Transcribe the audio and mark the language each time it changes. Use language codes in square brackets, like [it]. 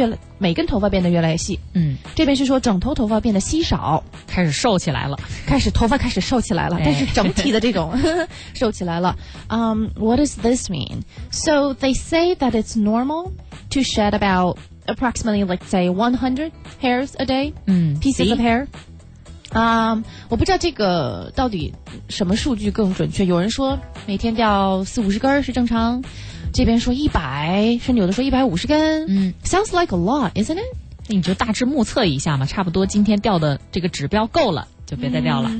[zh] 越每根头发变得越来越细。这边是说整头头发变得稀少，开始瘦起来了，开始头发开始瘦起来了，但是整体的这种瘦起来了。 [en] What does this mean? So they say that it's normal to shed about approximately, like say, 100 hairs a day. Pieces of hair. [zh] 我不知道这个到底什么数据更准确，有人说每天掉40-50根是正常，这边说100，甚至有的说150根。 [en] Sounds like a lot, isn't it? [zh] 你就大致目测一下嘛，差不多今天掉的这个指标够了，就别再掉了。